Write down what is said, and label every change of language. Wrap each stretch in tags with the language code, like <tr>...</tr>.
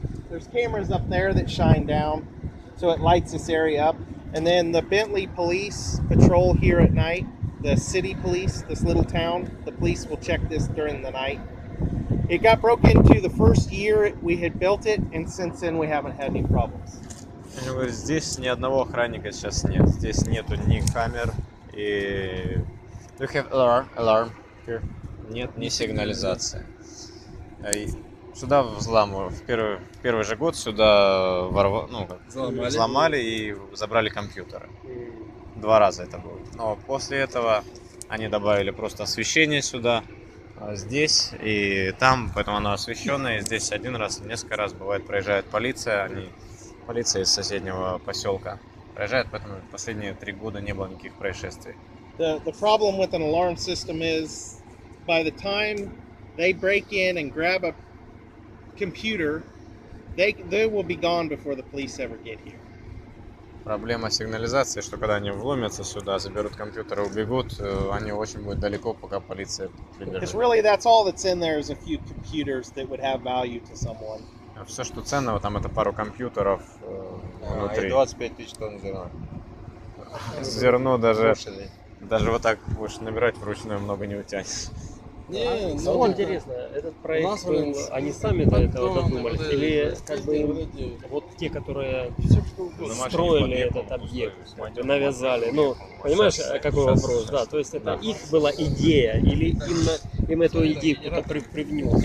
<en>There's cameras up there that shine down, so it lights this area up. And then the Bentley police patrol here at night, the city police, this little town, the police will check this during the night. It got broken into the first year we had built it, and since then we haven't had any problems.</en> <ru>Здесь ни одного охранника сейчас нет. Здесь нету ни камер. И...</ru> <en>Do you have alarm here?</en> <ru>Нет, ни сигнализация. Сюда взламывали, в первый же год сюда взломали и забрали компьютеры. Два раза это было. Но после этого они добавили просто освещение сюда, здесь и там, поэтому оно освещенное. И здесь один раз, несколько раз бывает проезжает полиция, полиция из соседнего поселка. рожают, поэтому последние три года не было никаких происшествий.</ru> <en>The problem with an alarm system is by the time they break in and grab a computer, they will be gone before the police ever get here.</en> <ru>Проблема сигнализации, что когда они вломятся сюда, заберут компьютер и убегут, они очень будут далеко, пока полиция прибежит.</ru> <en>Because really that's all that's in there is a few computers that would have value to someone.</en> <ru>Все, что ценного там, это пару компьютеров внутри. И 25 тысяч тонн зерна. Зерно даже вот так будешь набирать вручную, много не утянешь. Не, ну, интересно, этот проект был, они сами до этого додумались, или как бы вот те, которые строили этот объект, навязали, ну, понимаешь, какой вопрос, да, то есть это их была идея, или именно им эту идею кто-то привнес?</ru>